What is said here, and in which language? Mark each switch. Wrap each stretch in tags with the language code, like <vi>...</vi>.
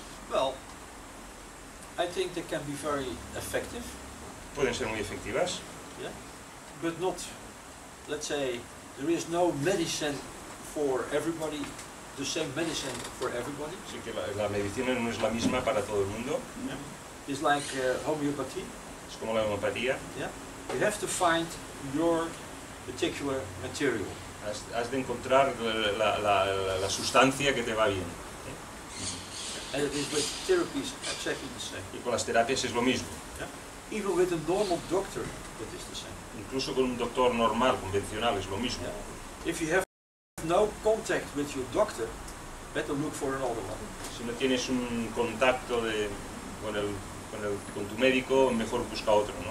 <en>Well, I think they can be very effective.</en> <es>Pueden ser muy efectivas.</es> <en>Yeah, but not, let's say, there is no medicine for everybody, the same medicine for everybody.</en> <es>Sí, que la medicina no es la misma para todo el mundo.</es> <en>Yeah. It's like homeopathy.</en> <es>Es como la homeopatía.</es> <en>Yeah. You have to find your particular material.</en> <es>Has de encontrar la sustancia que te va bien.</es> <en>And it is with therapies exactly the same.</en> <es>Y con las terapias es lo mismo.</es> <en>Yeah. Even with a normal doctor, it is the same.</en> <es>Incluso con un doctor normal, convencional, es lo mismo.</es> <en>Yeah. If you have no contact with your doctor, better look for another one.</en> <es>Si no tienes un contacto con tu médico, mejor busca otro, ¿no?</es>